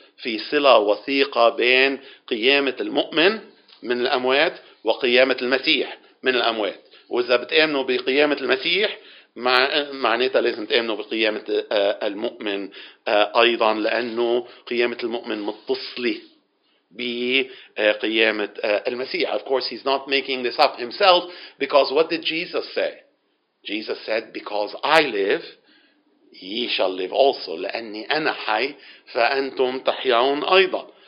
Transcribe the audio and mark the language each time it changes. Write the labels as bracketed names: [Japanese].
[Arabic] في صلة وثيقة بين قيامة المؤمن من الأموات وقيامة المسيح من الأموات. وإذا بتؤمنوا بقيامة المسيح معناتها لازم تؤمنوا بقيامة المؤمن أيضا، لأنه قيامة المؤمن متصلة بقيامة المسيح. [English] Of course he's not making this up himself, because what did Jesus say? Jesus said, because I live ye shall live also. [Arabic] لأني أنا حي فأنتم تحيون أيضا.